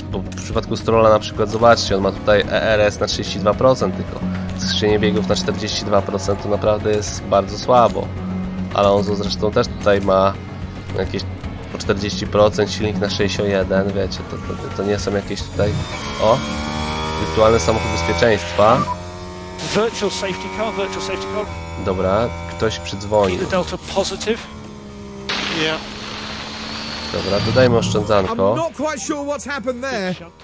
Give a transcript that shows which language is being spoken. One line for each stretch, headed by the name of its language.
Polish: Bo w przypadku Strolla na przykład, zobaczcie, on ma tutaj ERS na 32%, tylko skrzynie biegów na 42%, to naprawdę jest bardzo słabo. Ale on zresztą też tutaj ma jakieś po 40%, silnik na 61%, wiecie, to nie są jakieś tutaj, o, wirtualne samochody bezpieczeństwa.
English: Virtual safety car, virtual safety car.
Polish: Dobra, ktoś przydzwonił.
English: Keep the delta positive. Yeah.
Polish: Dobra, dodajmy oszczędzanko.
English: I'm not quite sure what's happened there.